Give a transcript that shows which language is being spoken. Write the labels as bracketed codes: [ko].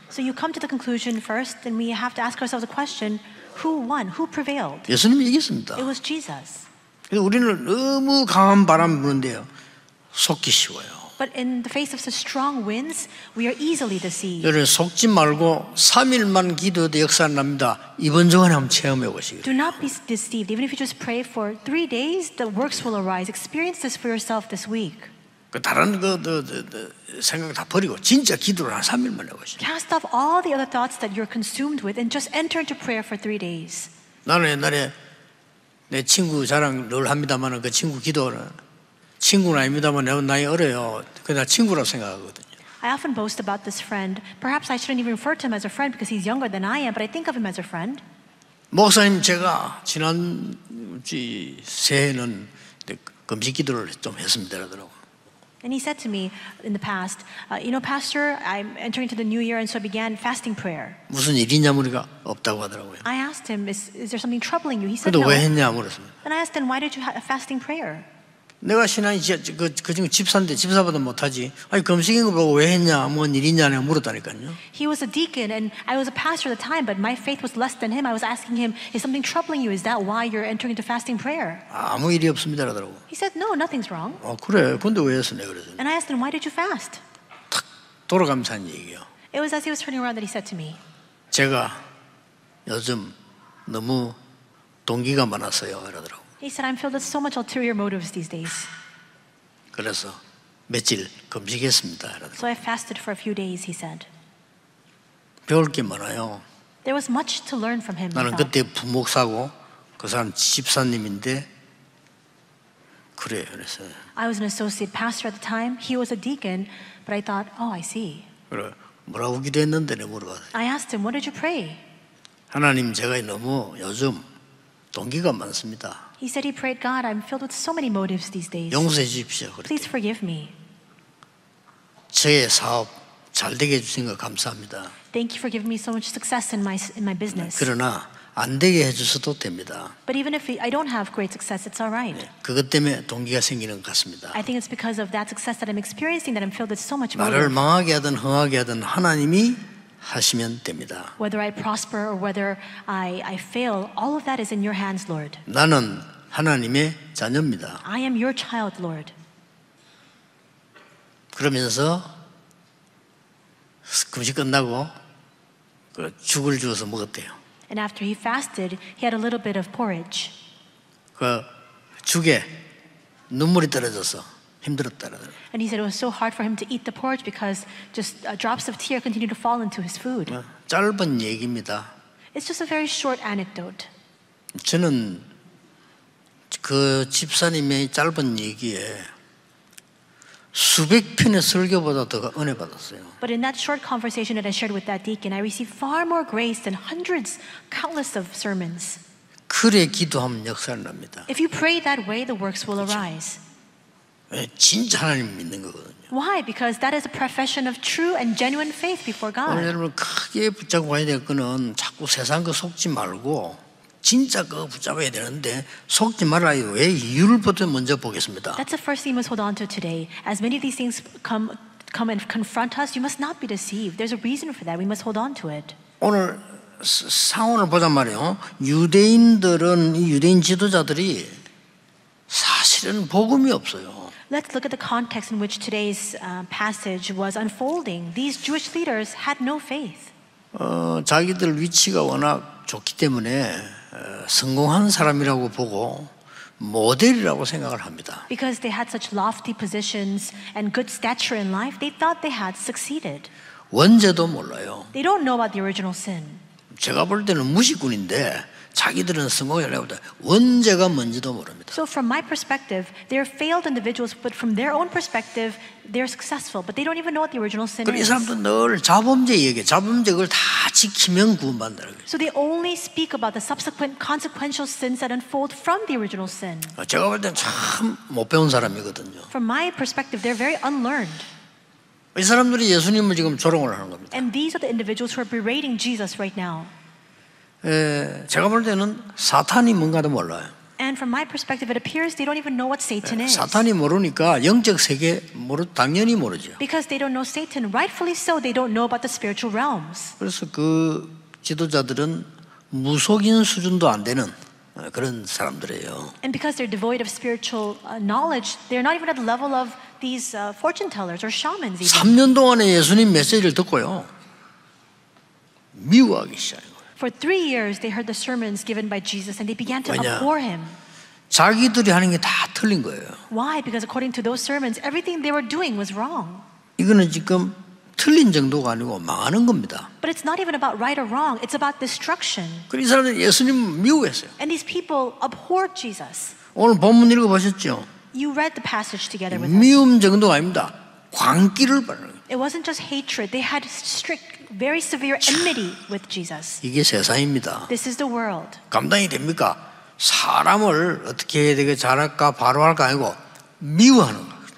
[en] So you come to the conclusion first, and we have to ask ourselves the question: Who won? Who prevailed? [ko] 예수님이 이겼습니다. [en] It was Jesus. [ko] 그래서 우리는 너무 강한 바람 부는데요, 속기 쉬워요. [en] But in the face of such strong winds, we are easily deceived. [ko] 여러분 속지 말고 3일만 기도해도 역사 납니다. 이번 주간에 한번 체험해 보시기 바랍니다. [en] Do not be deceived. Even if you just pray for 3 days, the works will arise. Experience this for yourself this week. [ko] 그 다른 그 생각 다 버리고 진짜 기도를 한 3일만 해보시죠. [en] Cast off all the other thoughts that you're consumed with and just enter into prayer for 3 days. [ko] 나는 옛날에 내 친구 자랑 늘 합니다만 그 친구 기도는 친구는 아닙니다만 나이 어려요. 그냥 친구라고 생각하거든요. [en] I often boast about this friend. Perhaps I shouldn't even refer to him as a friend because he's younger than I am, but I think of him as a friend. [ko] 목사님 제가 지난 새해는 금식 기도를 좀 했습니다. [en] And he said to me in the past, you know, Pastor, I'm entering into the new year, and so I began fasting prayer. [ko] 무슨 일이냐 물이가 없다고 하더라고요. [en] I asked him, is there something troubling you? He said no. [ko] 근데 왜 했냐 물었습니다. [en] And I asked him, why did you have a fasting prayer? [ko] 내가 신앙이 그 지금 집사인데 집사보다 못하지. 아니 금식인 거 보고 왜 했냐, 뭔 일이냐 내가 물었다니까요. [en] He was a deacon and I was a pastor at the time, but my faith was less than him. I was asking him, is something troubling you? Is that why you're entering into fasting prayer? [ko] 아무 일이 없습니다 하더라고. [en] He said, no, nothing's wrong. [ko] 아 그래, 근데 왜 했어 내가 그래서. [en] And I asked him, why did you fast? [ko] 탁 돌아가면서 한 얘기요. [en] It was as he was turning around that he said to me, [ko] 제가 요즘 너무 동기가 많았어요 하더라고. [en] He said, I'm filled with so much ulterior motives these days. [ko] 그래서 며칠 금식했습니다. [en] So I fasted for a few days, he said. [ko] 배울 게 많아요. [en] There was much to learn from him. [ko] 나는 그때 부목사고 그 사람 집사님인데 그래요. 그래서 [en] I was an associate pastor at the time. He was a deacon, but I thought, oh, I see. [ko] 그래, 뭐라고 기도했는데 내가 물어봤어요. [en] I asked him, what did you pray? [ko] 하나님, 제가 너무 요즘 동기가 많습니다. [en] He said he prayed, God, I'm filled with so many motives these days. [ko] 용서해 주십시오. [en] Please forgive me. [ko] 제 사업 잘 되게 해주신 거 감사합니다. [en] Thank you for giving me so much success in my business. [ko] 그러나 안 되게 해주셔도 됩니다. [en] But even if I don't have great success, it's all right. [ko] 네, 그것 때문에 동기가 생기는 것 같습니다. [en] I think it's because of that success that I'm experiencing that I'm filled with so much motive. [ko] 나를 망하게 하든 흥하게 하든 하나님이 하시면 됩니다. [en] Whether I prosper or whether I fail, all of that is in your hands, Lord. [ko] 나는 하나님의 자녀입니다. [en] I am your child, Lord. [ko] 그러면서 금식 끝나고 그 죽을 주어서 먹었대요. [en] And after he fasted, he had a little bit of porridge. [ko] 그 죽에 눈물이 떨어져서 힘들었다. [en] And he said it was so hard for him to eat the porridge because just drops of tear continued to fall into his food. [ko] 짧은 얘기입니다. [en] It's just a very short anecdote. [ko] 저는 그 집사님의 짧은 얘기에 수백 편의 설교보다 더 은혜 받았어요. [en] But in that short conversation that I shared with that deacon, I received far more grace than hundreds, countless of sermons. [ko] 그래 기도하면 역사가 납니다. [en] If you pray that way, the works will [ko] 그렇죠. [en] arise. [ko] 진짜 하나님 믿는 거거든요. [en] Why? Because that is a profession of true and genuine faith before God. [ko] 여러분 크게 붙잡고 와야 될 거는 자꾸 세상 거 속지 말고 진짜 거 붙잡아야 되는데 속지 말아요. 왜 이유를부터 먼저 보겠습니다. [en] That's the first thing we must hold on to today. As many of these things come and confront us, you must not be deceived. There's a reason for that. We must hold on to it. [ko] 오늘 상황을 보자 말이요. 유대인들은 유대인 지도자들이 사실은 복음이 없어요. [en] Let's look at the context in which today's passage was unfolding. These Jewish leaders had no faith. [ko] 자기들 위치가 워낙 좋기 때문에 성공한 사람이라고 보고 모델이라고 생각을 합니다. [en] Because they had such lofty positions and good stature in life, they thought they had succeeded. [ko] 원죄도 몰라요. [en] They don't know about the original sin. [ko] 제가 볼 때는 무식군인데 자기들은 성공했다. 원죄가 뭔지도 모릅니다. [en] So from my perspective, they are failed individuals, but from their own perspective, they are successful, but they don't even know what the original sin is. [ko] 그리고 이 사람도 늘 자범죄 얘기, 자범죄를 다 지키면 구원받는다. [en] So they only speak about the subsequent consequential sins that unfold from the original sin. [ko] 제가 볼 때는 참 못 배운 사람이거든요. [en] From my perspective, they're very unlearned. [ko] 이 사람들이 예수님을 지금 조롱을 하는 겁니다. [en] And these are the individuals who are berating Jesus right now. [ko] 제가 볼 때는 사탄이 뭔가도 몰라요. [en] And from my perspective, it appears they don't even know what Satan is. [ko] 사탄이 모르니까 영적 세계 당연히 모르죠. [en] Because they don't know Satan, rightfully so, they don't know about the spiritual realms. [ko] 그래서 그 지도자들은 무속인 수준도 안 되는 그런 사람들이에요. [en] And because they're devoid of spiritual knowledge, they're not even at the level of these fortune tellers or shamans. [ko] 3년 동안에 예수님 메시지를 듣고요, 미워하기 시작해요. [en] For 3 years, they heard the sermons given by Jesus, and they began to [ko] 왜냐? [en] abhor him. [ko] 자기들이 하는 게 다 틀린 거예요. [en] Why? Because according to those sermons, everything they were doing was wrong. [ko] 이거는 지금 틀린 정도가 아니고 망하는 겁니다. [en] But it's not even about right or wrong. It's about destruction. [ko] 그리고 이 사람들은 예수님 미워했어요. [en] And these people abhorred Jesus. [ko] 오늘 본문 읽어보셨죠? [en] You read the passage together with us. [ko] 미움 정도가 아닙니다. 광기를 받는 거예요. [en] It wasn't just hatred. They had strict very severe enmity with Jesus. [ko] 이게 세상입니다. [en] This is the world. [ko] 감당이 됩니까? 사람을 어떻게 해야 되게 잘할까 바로 할까 아니고 미워하는 거.